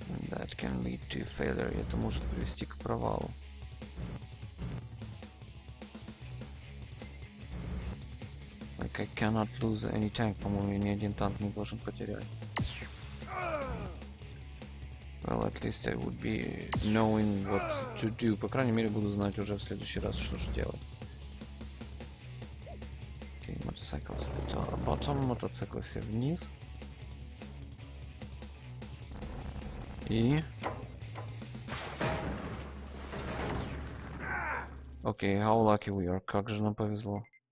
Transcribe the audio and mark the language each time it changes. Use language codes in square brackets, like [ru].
[en] That can lead to failure. [ru] Это может привести к провалу. [en] Like I cannot lose any tank. [ru] По-моему, ни один танк не должен потерять. [en] Well, at least I would be knowing what to do. [ru] По крайней мере, буду знать уже в следующий раз, что же делать. Мотоциклс [en] bottom, [ru] мотоциклы все вниз. И окей, [en] how lucky we are, [ru] как же нам повезло.